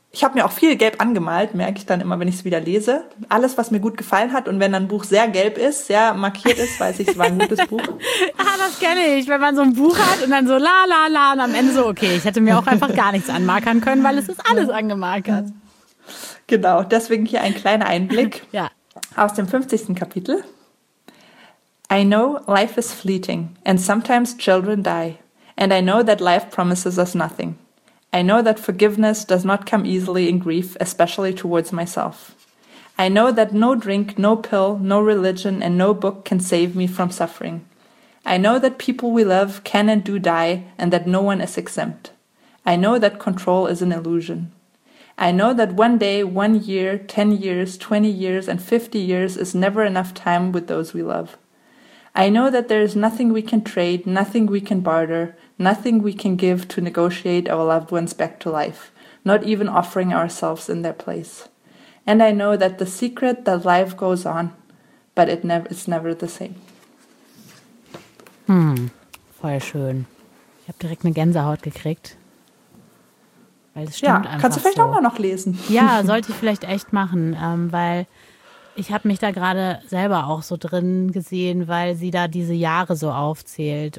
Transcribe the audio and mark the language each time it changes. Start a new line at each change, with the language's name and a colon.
German: Ich habe mir auch viel gelb angemalt, merke ich dann immer, wenn ich es wieder lese. Alles, was mir gut gefallen hat und wenn ein Buch sehr gelb ist, sehr markiert ist, weiß ich, es war ein gutes Buch. Ah, das kenne ich, wenn man so ein Buch hat und dann so la la la und am Ende so, okay, ich hätte mir auch einfach gar nichts anmarkern können, weil es ist alles angemarkert. Genau, deswegen hier ein kleiner Einblick ja. aus dem 50. Kapitel.
English: I know life is fleeting and sometimes children die. And I know that life promises us nothing. I know that forgiveness does not come easily in grief, especially towards myself. I know that no drink, no pill, no religion, and no book can save me from suffering. I know that people we love can and do die, and that no one is exempt. I know that control is an illusion. I know that one day, 1 year, 10 years, 20 years, and 50 years is never enough time with those we love. I know that there is nothing we can trade, nothing we can barter, nothing we can give to negotiate our loved ones back to life, not even offering ourselves in their place. And I know that the secret that life goes on, but it's never the same.
German: Voll schön. Ich habe direkt eine Gänsehaut gekriegt. Weil es stimmt einfach. Kannst du vielleicht so. Auch mal noch lesen? Ja, sollte ich vielleicht echt machen, weil... Ich habe mich da gerade selber auch so drin gesehen, weil sie da diese Jahre so aufzählt.